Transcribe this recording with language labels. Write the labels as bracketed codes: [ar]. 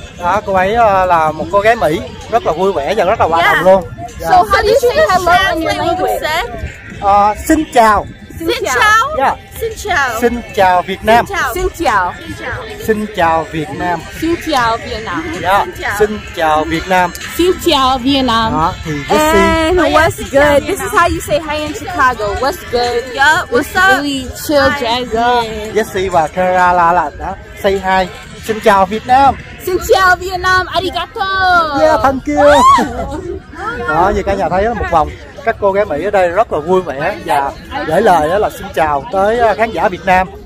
[vi] Đó, cô ấy là một cô gái Mỹ rất là vui vẻ và rất là hòa đồng luôn. [en] Yeah. So how do you say hello in your language? [vi] Xin chào. Xin chào. [en] Yeah. [vi] Xin chào. Xin chào Việt Nam. Xin chào. Xin chào. Việt Nam. Xin chào Việt Nam. [en] Yeah. [vi] Xin chào Việt Nam. Xin chào Việt Nam. Đó, thì Jesse. [en] And what's good? This is how you say hi in Chicago. What's good? Yeah. What's up? Really chill, jazzy. [vi] Jesse và Kara là đã [en] say hi. [vi] Xin chào Việt Nam. Xin chào Việt Nam. Arigato. [en] Yeah, thank you. [vi] Đó, như cả nhà thấy một vòng. Các cô gái Mỹ ở đây rất là vui vẻ và gửi lời là xin chào tới khán giả Việt Nam.